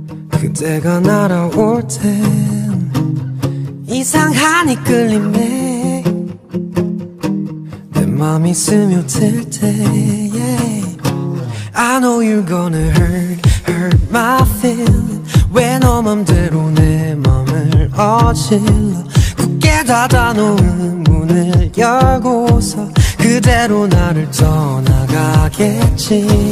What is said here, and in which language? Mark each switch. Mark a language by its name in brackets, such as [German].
[Korean] 그대가 날아올 땐 이상한 이끌림에 내 맘이 스며들 때. [English] Yeah. I know you're gonna hurt, hurt my feelings. [Korean] 왜 너 맘대로 내 맘을 어질러. 굳게 닫아놓은 문을 열고서 그대로 나를 떠나가겠지.